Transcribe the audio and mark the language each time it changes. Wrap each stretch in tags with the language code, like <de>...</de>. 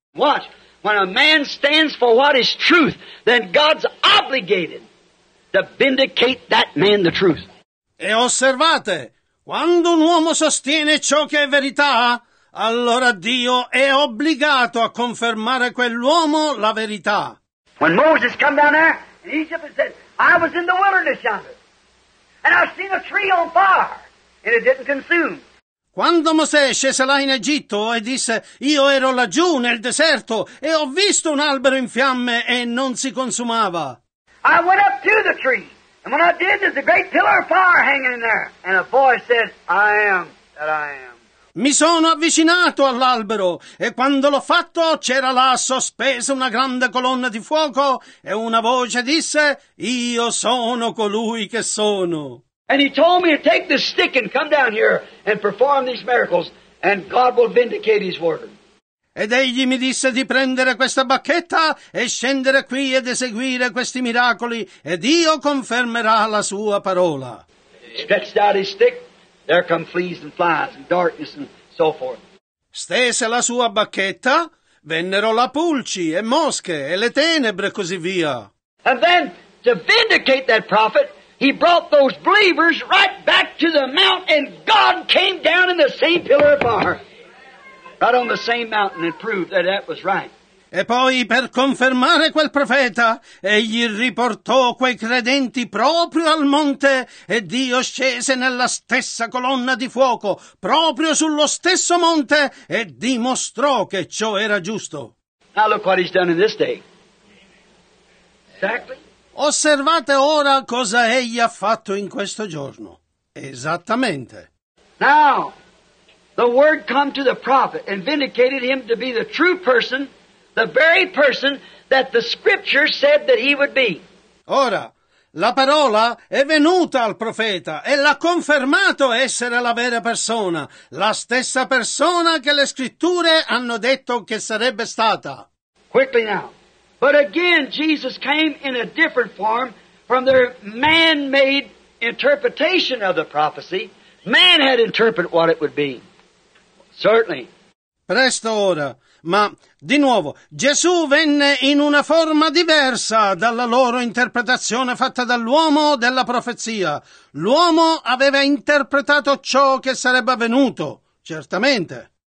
<en>Watch. When a man stands for what is truth, then God's obligated to vindicate that man the truth.</en> <it>E osservate, quando un uomo sostiene ciò che è verità, allora Dio è obbligato a confermare quell'uomo la verità.</it> <en>When Moses come down there in Egypt and said, I was in the wilderness yonder, and I seen a tree on fire, and it didn't consume.</en> <it>Quando Mosè scese là in Egitto e disse, io ero laggiù nel deserto e ho visto un albero in fiamme e non si consumava.</it> <en>I went up to the tree, and when I did, there's a great pillar of fire hanging in there, and a voice said, I am that I am.</en> <it>Mi sono avvicinato all'albero, e quando l'ho fatto, c'era là sospesa una grande colonna di fuoco, e una voce disse, io sono colui che sono.</it> <en>And he told me to take this stick and come down here and perform these miracles, and God will vindicate his word.</en> <it>Ed egli mi disse di prendere questa bacchetta e scendere qui ed eseguire questi miracoli, e Dio confermerà la sua parola.</it> <en>Stretched out his stick, there come fleas and flies and darkness and so forth.</en> <it>Stese la sua bacchetta, vennero la pulci e mosche e le tenebre e così via.</it> <en>And then, to vindicate that prophet, he brought those believers right back to the mount, and God came down in the same pillar of fire. Right on the same mountain, and proved that that was right.</en> <it>E poi, per confermare quel profeta, egli riportò quei credenti proprio al monte, e Dio scese nella stessa colonna di fuoco, proprio sullo stesso monte, e dimostrò che ciò era giusto.</it> <en>Now look what he's done in this day. Exactly.</en> <it>Osservate ora cosa egli ha fatto in questo giorno. Esattamente.</it> <en>Now, the word come to the prophet and vindicated him to be the true person, the very person that the scripture said that he would be.</en> <it>Ora, la parola è venuta al profeta e l'ha confermato essere la vera persona, la stessa persona che le scritture hanno detto che sarebbe stata.</it> <en>Quickly now. But again, Jesus came in a different form from their man-made interpretation of the prophecy. Man had interpreted what it would be. Certainly.</en> <it>Presto ora, ma di nuovo, Gesù venne in una forma diversa dalla loro interpretazione fatta dall'uomo della profezia. L'uomo aveva interpretato ciò che sarebbe avvenuto, certamente.</it>